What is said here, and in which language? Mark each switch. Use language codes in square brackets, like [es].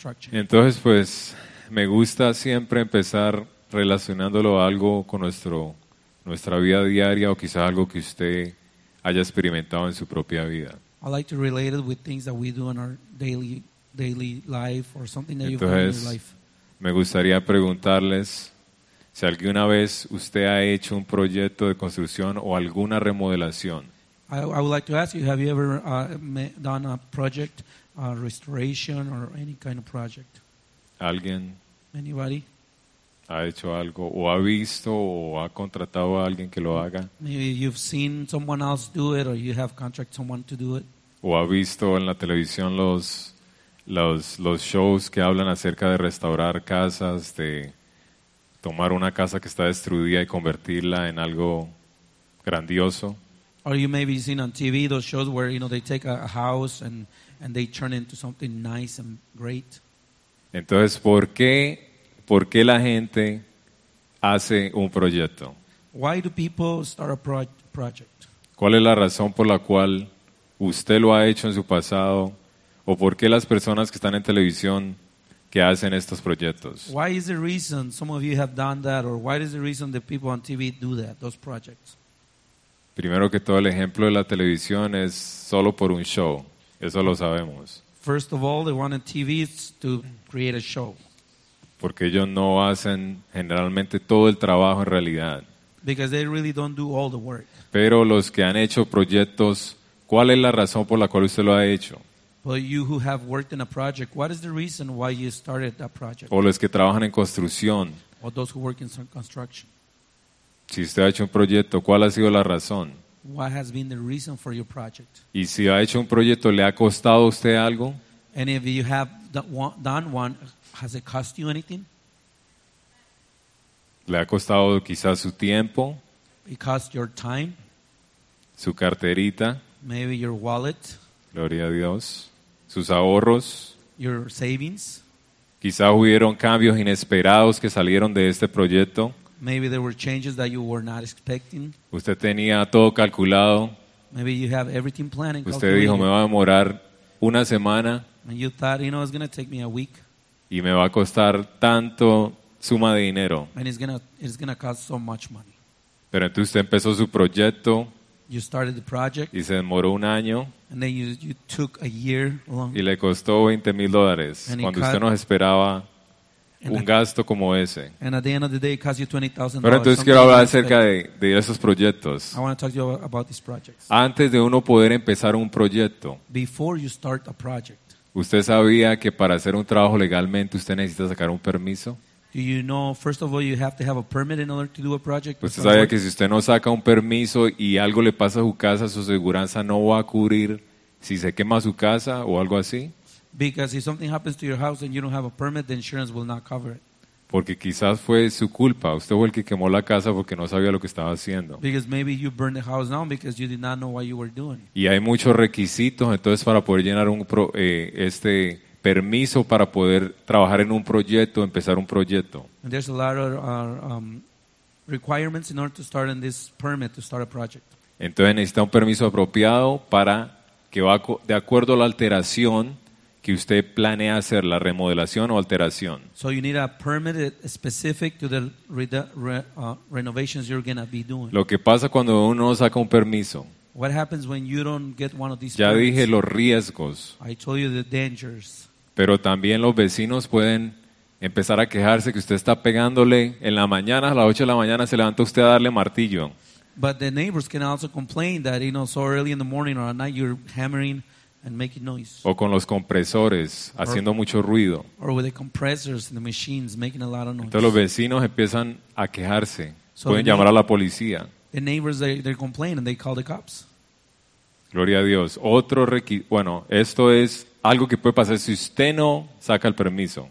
[es] Entonces, pues, me gusta siempre empezar relacionándolo a algo con nuestra vida diaria o quizás algo que usted haya experimentado en su propia vida. [en] I like to relate it with things that we do in our daily life or something that you've done in your life. [es] Me gustaría preguntarles si alguna vez usted ha hecho un proyecto de construcción o alguna remodelación. [en] I would like to ask you, have you ever done a project, a restoration or any kind of project? [es] ¿Alguien? [en] Anybody? [es] ¿Ha hecho algo o ha visto o ha contratado a alguien que lo haga? [en] Maybe you've seen someone else do it or you have contracted someone to do it. [es] ¿O ha visto en la televisión los shows que hablan acerca de restaurar casas, de tomar una casa que está destruida y convertirla en algo grandioso? [en] Or you may be seeing on TV those shows where, you know, they take a house and they turn it into something nice and great. [es] Entonces, ¿por qué la gente hace un proyecto? [en] Why do people start a project? [es] ¿Cuál es la razón por la cual usted lo ha hecho en su pasado? ¿O por qué las personas que están en televisión que hacen estos proyectos? [en] Why is the reason some of you have done that, or why is the reason the people on TV do that, those projects? [es] Primero que todo, el ejemplo de la televisión es solo por un show. Eso lo sabemos. [en] First of all, they want a TV to create a show. [es] Porque ellos no hacen generalmente todo el trabajo en realidad. [en] Because they really don't do all the work. [es] Pero los que han hecho proyectos, ¿cuál es la razón por la cual usted lo ha hecho? [en] But you who have worked in a project, what is the reason why you started that project? [es] O los que trabajan en construcción. [en] Or those who work in construction. [es] Si usted ha hecho un proyecto, ¿cuál ha sido la razón? [en] What has been the reason for your project? [es] Y si ha hecho un proyecto, ¿le ha costado a usted algo? [en] And if you have done one, has it cost you anything? [es] ¿Le ha costado quizás su tiempo? [en] It cost your time. [es] ¿Su carterita? [en] Maybe your wallet. [es] Gloria a Dios. ¿Sus ahorros? [en] Your savings. [es] Quizás hubieron cambios inesperados que salieron de este proyecto. [en] Maybe there were changes that you were not expecting. [es] Usted tenía todo calculado. [en] Maybe you have everything planned and calculated. [es] Usted dijo, me va a demorar una semana. [en] And you thought, you know, it's going to take me a week. [es] Y me va a costar tanto suma de dinero. [en] And it's going to cost so much money. [es] Pero entonces usted empezó su proyecto. [en] You started the project. [es] Y se demoró un año. [en] And then you took a year long. [es] Y le costó $20,000 cuando usted nos esperaba un gasto como ese. [en] And at the end of the day, it costs you $20,000. [es] Pero entonces quiero hablar acerca de esos proyectos. [en] I want to talk to you about these projects. [es] Antes de uno poder empezar un proyecto, [en] before you start a project, [es] ¿usted sabía que para hacer un trabajo legalmente usted necesita sacar un permiso? [en] Do you know, first of all, you have to have a permit in order to do a project? [es] ¿Usted sabía que si usted no saca un permiso y algo le pasa a su casa, su aseguranza no va a cubrir si se quema su casa o algo así? [en] Because if something happens to your house and you don't have a permit, the insurance will not cover it. [es] Porque quizás fue su culpa. Usted fue el que quemó la casa porque no sabía lo que estaba haciendo. [en] Because maybe you burned the house down because you did not know what you were doing. [es] Y hay muchos requisitos entonces para poder llenar este permiso para poder trabajar en un proyecto, empezar un proyecto. [en] And there's a lot of requirements in order to start in this permit, to start a project. [es] Entonces necesita un permiso apropiado para que va de acuerdo a la alteración que usted planea hacer, la remodelación o alteración. [en] So you need a permit specific to the renovations you're going to be doing. [es] Lo que pasa cuando uno saca un permiso. [en] What happens when you don't get one of these? [es] Ya dije los riesgos. [en] I told you the dangers. [es] Pero también los vecinos pueden empezar a quejarse que usted está pegándole en la mañana, a las 8 de la mañana se levanta usted a darle martillo. [en] But the neighbors can also complain that, you know, so early in the morning or at night you're hammering and making noise. [es] O con los compresores haciendo mucho ruido. [en] Or with the compressors and the machines making a lot of noise. [es] Entonces los vecinos empiezan a quejarse. Pueden llamar a la policía. [en] The neighbors, they complain and they call the cops. [es] Gloria a Dios. Otro bueno, esto es algo que puede pasar si usted no saca el permiso.